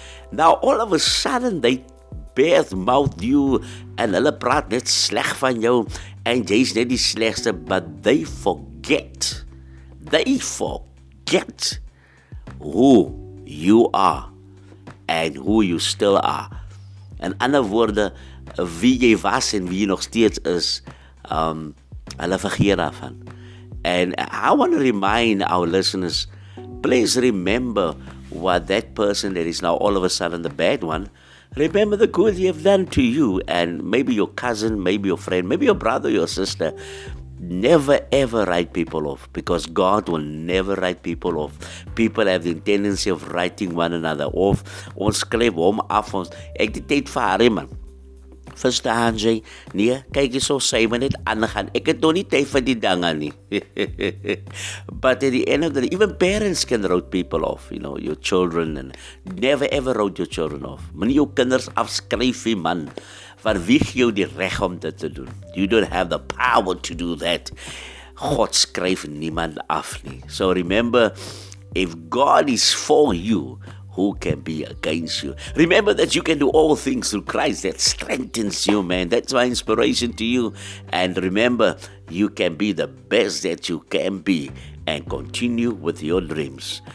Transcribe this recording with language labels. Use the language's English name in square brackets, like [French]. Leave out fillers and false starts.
[English] Now, all of a sudden, they bad mouth you and [Afrikaans] hulle praat net sleg van jou [English] and [Afrikaans] jy's net die slegste, [English] but they forget. They forget who you are and who you still are. [Afrikaans] In ander woorde, wie jy was en wie jy nog steeds is, hulle vergeet daarvan. [English] And I want to remind our listeners, please remember what that person that is now all of a sudden the bad one, remember the good they have done to you. And maybe your cousin, maybe your friend, maybe your brother, your sister. Never ever write people off, because God will never write people off. People have the tendency of writing one another off. [Afrikaans] Ons skryf hom af, ons ek die tyd vir hom, man. Verstaan jy? Nee, kyk jy so, sy moet net aangaan. Ek het nog nie tyd vir die dinge nie. [English] But at the end of the day, even parents can write people off, you know, your children. And never ever write your children off. [Afrikaans] Moenie jou kinders afskryf nie, man. Waar wie gee jou die reg om dit te doen? [English] You don't have the power to do that. [Afrikaans] God skryf niemand af nie. [English] So remember, if God is for you, who can be against you? Remember that you can do all things through Christ that strengthens you, man. That's my inspiration to you. And remember, you can be the best that you can be and continue with your dreams.